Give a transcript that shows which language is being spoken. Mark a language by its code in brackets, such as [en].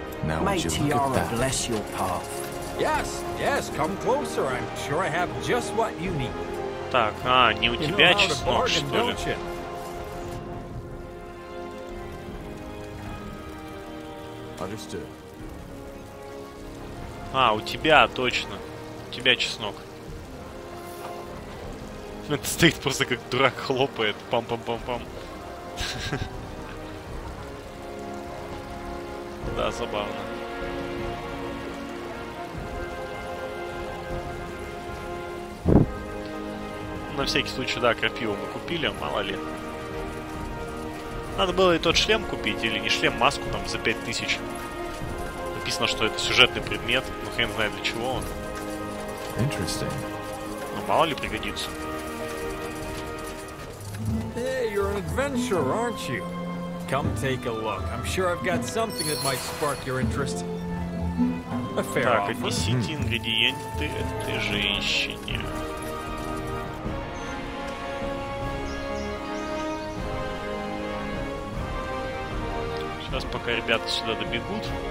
[en] Now may Tiara bless your path. Yes, yes, come closer. I'm sure I have just what you need. [ru] Так, а, не у тебя чеснок, что ли? [en] Understood. [ru] А, у тебя, точно. У тебя чеснок. Это стоит просто как дурак, хлопает. Пам-пам-пам-пам. Да, забавно. На всякий случай, да, крапиву мы купили, мало ли. Надо было и тот шлем купить, или не шлем, маску там за 5000. Написано, что это сюжетный предмет, но хрен знает для чего он. [en] Interesting. [ru] Ну, мало ли пригодится. [en] Hey, you're an adventurer, aren't you? Come take a look. I'm sure I've got something that might spark your interest. A fair offer. [ru] Так, отнесите ингредиенты этой женщине. Сейчас, пока ребята сюда добегут.